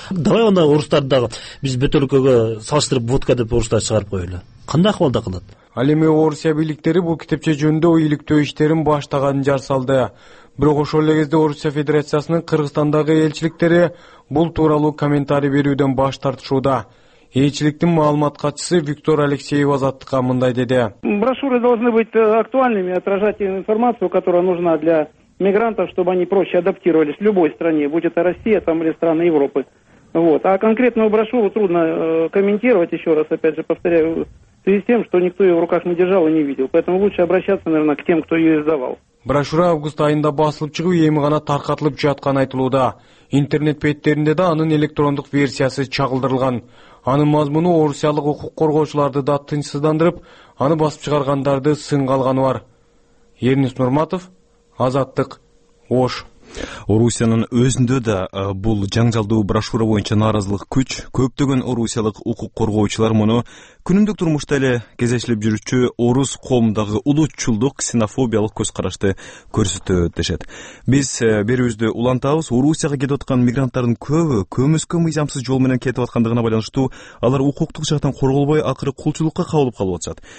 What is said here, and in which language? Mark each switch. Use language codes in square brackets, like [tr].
[ky] Давай анда орустар дагы биз өлкөгө салыштырып водка деп орустар чыгарып коелу. Кандай акыбалда кылат? Ал эми Орусия бийликтери бул китепче жөнүндө иликтөө иштерин баштаганын жар салды. Бирок ошол эле кезде Орусия Федерациясынын Кыргызстандагы элчиликтери бул тууралуу комментарий берүүдөн баш тартышууда. Элчиликтин маалымат катчысы Виктор Алексеев азаттыкка мындай деди. [ru] Брошюры должны быть актуальными, отражать информацию, которая нужна для мигрантов, чтобы они проще адаптировались в любой стране, будь это Россия там или страны Европы. Вот. А конкретную брошюру трудно комментировать, еще раз опять же повторяю, в связи с тем, что никто ее в руках не держал и не видел. Поэтому лучше обращаться, наверное, к тем, кто ее издавал. [ky] Брошюра август айында басылып чыгып, эми гана таркатылып жаткан айтылууда. Интернет беттеринде да анын электрондук версиясы чагылдырылган. Анын мазмуну орусиялык укук коргоочуларды да тынчсыздандырып, аны басып чыгаргандарды сынга алганы бар. Эрнис Нурматов, Азаттык, Ош. Орусиянын өзүндө да бул жаңжалдуу брошюра боюнча нааразылык күч. Көптөгөн орусиялык укук коргоочулар муну күнүмдүк турмушта эле кездешилип жүрүүчү орус коомундагы улутчулдук, ксенофобиялык көз карашты көрсөтөт дешет. Биз берүүбүздү улантабыз. Орусияга кетип аткан мигранттардын көбү көмүскө мыйзамсыз жол менен кетип аткандыгына байланыштуу алар укуктук жактан корголбой, акыры кулчулукка кабылып калып атышат.